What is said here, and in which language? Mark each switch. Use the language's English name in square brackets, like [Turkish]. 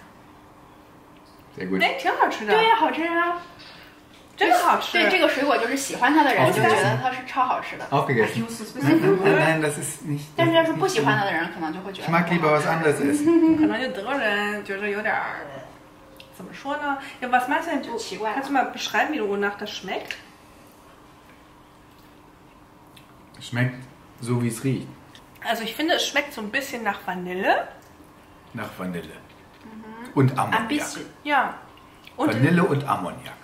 [German] ist ein bisschen schwach. Das ist ein bisschen schwach. [Chinese] 真好吃。对这个水果就是喜欢它的人就觉得它是超好吃的。 [German] Aufgegessen. Nein, das ist nicht. [Chinese] 但是要是不喜欢它的人，可能就会觉得。 [German] Ich mag lieber was anderes essen. [Chinese] 可能就德国人觉得有点儿，怎么说呢？ [German] Ja, was meinst du denn? [Chinese] 就奇怪。 [German] Kannst du mal beschreiben, wie du nach das schmeckt? Schmeckt so wie es riecht. Also ich finde, es schmeckt so ein bisschen nach Vanille. Nach Vanille. Und Ammoniak. Ein bisschen. Ja. Vanille und Ammoniak.